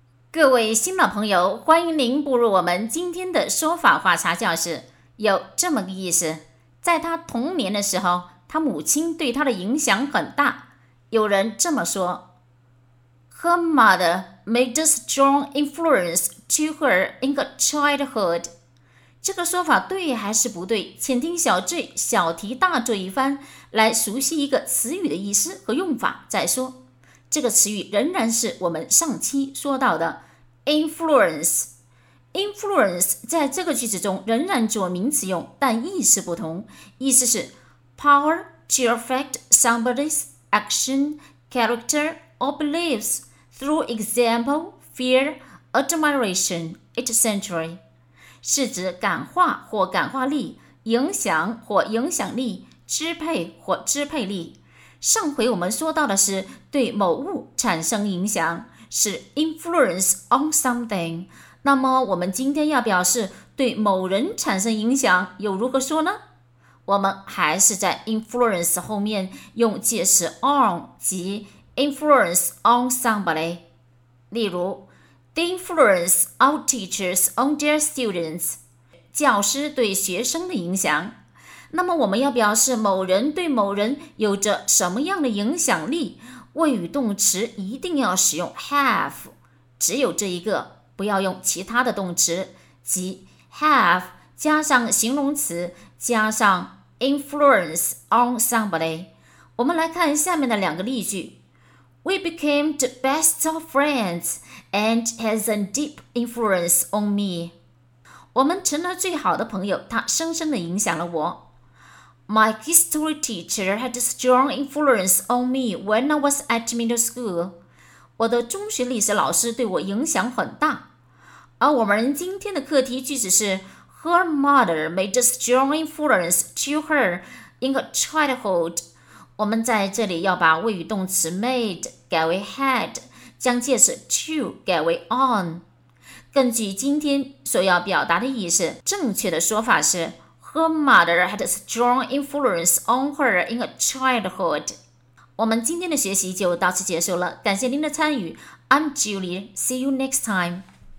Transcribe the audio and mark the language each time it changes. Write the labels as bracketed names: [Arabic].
[Chinese] 各位新老朋友，欢迎您步入我们今天的说法话茶教室。有这么个意思，在他童年的时候，他母亲对他的影响很大。有人这么说， [English] Her mother made a strong influence to her in her childhood。 [Chinese] 这个说法对还是不对，请听小醉小题大做一番，来熟悉一个词语的意思和用法再说。这个词语仍然是我们上期说到的 influence。 [English] influence [Chinese] 在这个句子中仍然做名词用，但意思不同，意思是 [English] power to affect somebody's action, character or beliefs through example, fear, admiration, etc. [Chinese] 是指感化或感化力，影响或影响力，支配或支配力。上回我们说到的是对某物产生影响，是 influence on something。那么我们今天要表示对某人产生影响又如何说呢？我们还是在 influence 后面用介词 on， 即 influence on somebody。 [English] 例如 the influence of teachers on their students， [Chinese] 教师对学生的影响。那么我们要表示某人对某人有着什么样的影响力，谓语动词一定要使用 have， 只有这一个，不要用其他的动词，即 have 加上形容词加上 influence on somebody。我们来看下面的两个例句。 [English] We became the best of friends and has a deep influence on me。 [Chinese] 我们成了最好的朋友，他深深地影响了我。 [English] My history teacher had a strong influence on me when I was at middle school. [Chinese] 我的中学历史老师对我影响很大。而我们今天的课题句子是 [English] Her mother made a strong influence to her in her childhood. [Chinese] 我们在这里要把谓语动词 made 改为 had， 将介词 to 改为 on。根据今天所要表达的意思，正确的说法是 [English] Her mother had a strong influence on her in her childhood. [Chinese] 我们今天的学习就到此结束了，感谢您的参与。 [English] I'm Julie, see you next time.